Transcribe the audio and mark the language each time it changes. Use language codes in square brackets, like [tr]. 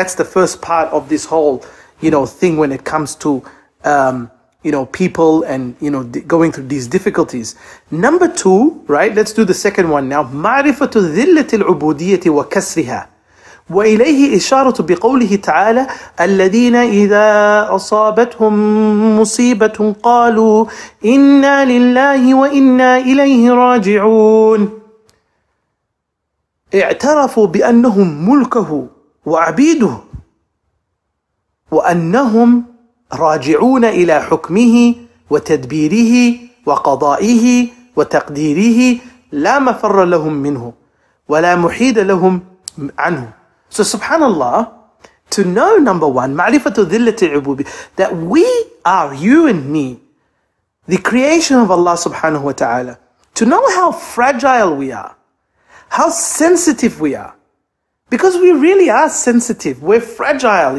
[en] That's the first part of this whole, you know, thing when it comes to, you know, people and, you know, going through these difficulties. Number two, right? Let's do the second one now. [ar] مَعْرِفَةُ ذِلَّةِ الْعُبُودِيَّةِ وَكَسْرِهَا وَإِلَيْهِ إِشَارَةُ بِقَوْلِهِ تَعَالَى الَّذِينَ إِذَا أَصَابَتْهُمْ مُصِيبَةٌ قَالُوا إِنَّا لِلَّهِ وَإِنَّا إِلَيْهِ رَاجِعُونَ اعترفوا بأنهم ملكه وعبيده وأنهم راجعون إلى حكمه وتدبيره وقضائه وتقديره لا مفر لهم منه ولا محيد لهم عنه. [en] So subhanAllah, to know number one, [ar] معرفة ذلة العبودية, [en] that we are, you and me, the creation of Allah subhanahu wa ta'ala, to know how fragile we are, how sensitive we are, because we really are sensitive. We're fragile.